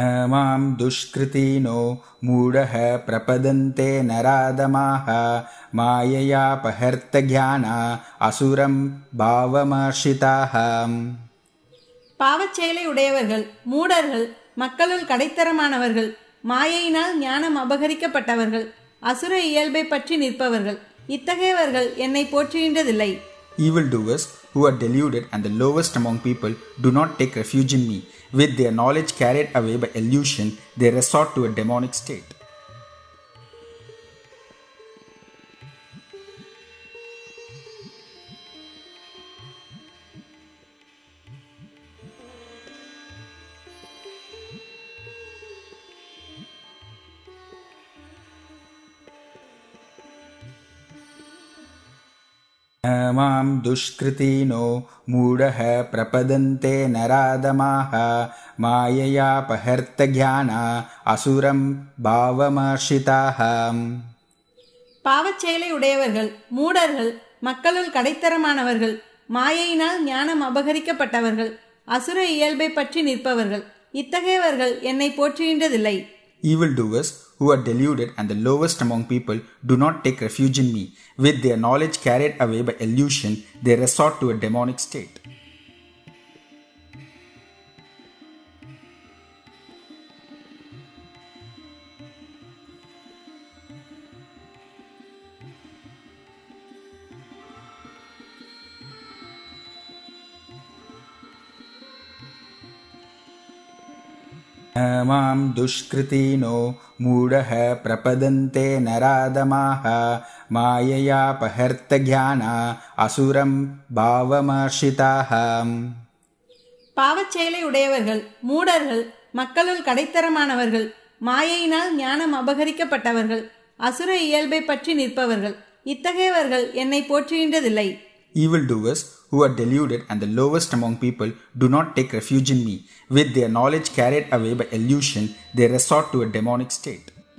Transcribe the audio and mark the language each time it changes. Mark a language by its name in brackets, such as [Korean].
[Sanskrit] மாம் துஷ்கிருதீனோ மூடஹ பிரபதந்தே நராதமாஹ மாயையா பஹர்த்த ஜானா அசுரம் பாவமர்ஷிதாஹ. [Tamil] பாவச்செயலை உடையவர்கள் மூடர்கள் மக்களுள் கடைத்தரமானவர்கள் மாயையினால் ஞானம் அபகரிக்கப்பட்டவர்கள் அசுர இயல்பை பற்றி நிற்பவர்கள் இத்தகையவர்கள் என்னை போற்றுகின்றதில்லை. [English] Evil doers who are deluded and the lowest among people do not take refuge in me. With their knowledge carried away by illusion, they resort to a demonic state. [Sanskrit] மாம் துஷ்கிருதீனோ மூடஹ பிரபதந்தே நராதமாஹ மாயையா பஹர்த்த ஜானா அசுரம் பாவமர்ஷிதாஹ. [Tamil] பாவச்செயலை உடையவர்கள் மூடர்கள் மக்களுள் கடைத்தரமானவர்கள் மாயையினால் ஞானம் அபகரிக்கப்பட்டவர்கள் அசுர இயல்பை பற்றி நிற்பவர்கள் இத்தகையவர்கள் என்னை போற்றுகின்றதில்லை. [English] Evil doers who are deluded and the lowest among people do not take refuge in me. With their knowledge carried away by illusion, they resort to a demonic state. [Sanskrit] மாம் துஷ்கிருதீனோ மூடஹ பிரபதந்தே நராதமாஹ மாயையா பஹர்த்த ஜானா அசுரம் பாவமர்ஷிதாஹ. [Tamil] பாவச்செயலை உடையவர்கள் மூடர்கள் மக்களுள் கடைத்தரமானவர்கள் மாயையினால் ஞானம் அபகரிக்கப்பட்டவர்கள் அசுர இயல்பை பற்றி நிற்பவர்கள் இத்தகையவர்கள் என்னை போற்றுகின்றதில்லை. [English] Evildoers who are deluded and the lowest among people do not take refuge in me. With their knowledge carried away by illusion, they resort to a demonic state.